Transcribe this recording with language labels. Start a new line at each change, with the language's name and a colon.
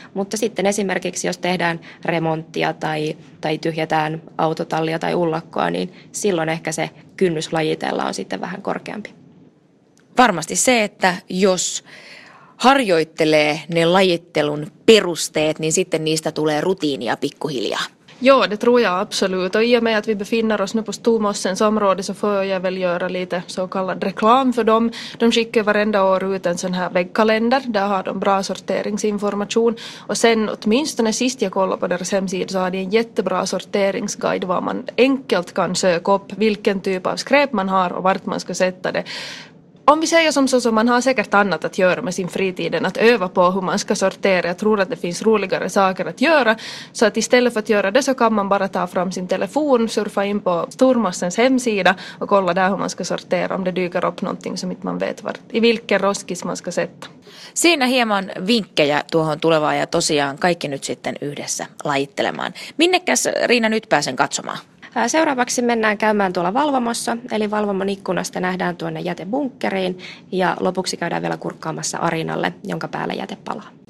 Finnish: Mutta sitten esimerkiksi jos tehdään remonttia tai tyhjätään autotallia tai ullakkoa, niin silloin ehkä se kynnys lajitella on sitten vähän korkeampi. Varmasti se, että jos harjoittelee ne lajittelun perusteet, niin sitten niistä tulee rutiinia pikkuhiljaa.
Swedish: Joo, det tror jag absolut. Och i och med att vi befinner oss nu på Stormossens område så får jag väl göra lite så kallad reklam för dem. De skickar varenda år ut en sån här väggkalender. Där har de bra sorteringsinformation. Och sen åtminstone sist jag kollade på deras hemsida så har de en jättebra sorteringsguide var man enkelt kan söka upp vilken typ av skräp man har och vart man ska sätta det. Om vi säger som så, så man har säkert annat att göra med sin fritiden, att öva på hur man ska sortera. Jag tror att det finns roligare saker att göra. Så att istället för att göra det så kan man bara ta fram sin telefon, surfa in på Stormossens hemsida och kolla där hur man ska sortera om det dyker upp någonting som inte man vet vart, i vilken roskis man ska sätta.
Finnish: Siinä hieman vinkkejä tuohon tulevaan ja tosiaan kaikki nyt sitten yhdessä lajittelemaan. Minnekäs, Riina, nyt pääsen katsomaan? Seuraavaksi mennään käymään tuolla valvomossa, eli valvomon ikkunasta nähdään tuonne jätebunkkeriin ja lopuksi käydään vielä kurkkaamassa arinalle, jonka päällä jäte palaa.